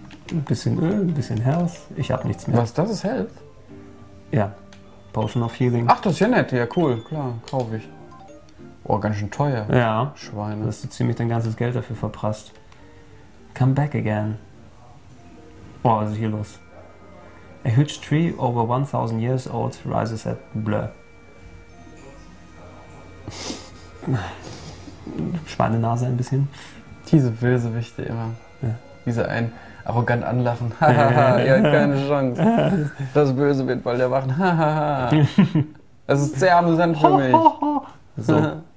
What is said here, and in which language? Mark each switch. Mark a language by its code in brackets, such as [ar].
[de] Ein bisschen Öl, ein bisschen Health. Ich habe nichts mehr. Was, das ist Health? Ja. Potion of Healing. Ach, das ist ja nett. Ja, cool. Klar, kaufe ich. Oh, ganz schön teuer. Ja. Schweine. Hast du ziemlich dein ganzes Geld dafür verprasst. [en] Come back again. [de] Boah, was ist hier los? [en] A huge tree over 1000 years old rises at Bleu. [de] Schweinenase ein bisschen. Diese Bösewichte immer. Ja. Diese ein arrogant anlachen. Hahaha, ihr habt keine Chance. Das Böse wird bald erwachen. Es ist sehr amüsant für mich. So.